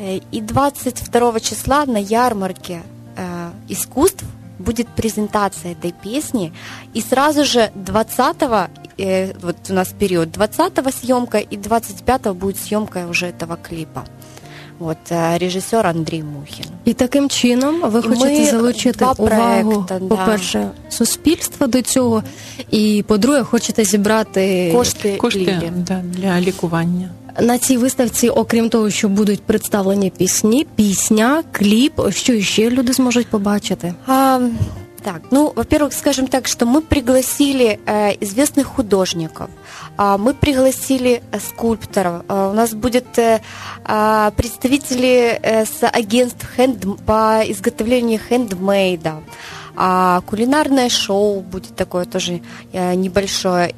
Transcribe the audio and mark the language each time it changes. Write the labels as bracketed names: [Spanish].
[Russian] И 22 числа на ярмарке искусств будет презентация этой песни, и сразу же 20-го, вот у нас период 20-го съемка, и 25-го будет съемка уже этого клипа. Вот, режиссер Андрей Мухин. [Ukrainian] И таким чином вы хотите залучить увагу, по-перше, суспільства до цього, и, по-друге, хочете зібрати кошти для лікування. На цій виставці, окрім того, що будуть представлені пісні, пісня, кліп, що ще люди зможуть побачити? [Russian] Так, ну, во-первых, скажем так, что мы пригласили известных художников, мы пригласили скульпторов, у нас будет представители с агентств по изготовлению хендмейда, кулинарное шоу будет такое тоже небольшое.